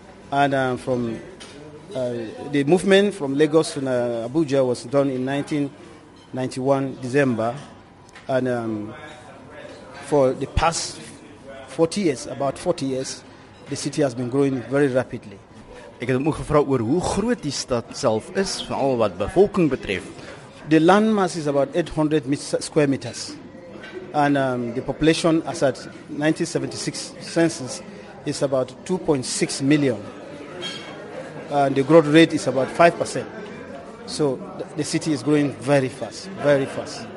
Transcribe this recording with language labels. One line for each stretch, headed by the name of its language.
English: And the movement from Lagos to Abuja was done in 1991, December. And for the past 40 years, the city has been growing very rapidly.
Afrikaans: Ek het ook gevra oor hoe groot die stad self is, veral wat bevolking betref.
English: The landmass is about 800 square meters. And the population as at 1976 census is about 2.6 million. And the growth rate is about 5%. So the city is growing very fast, very fast.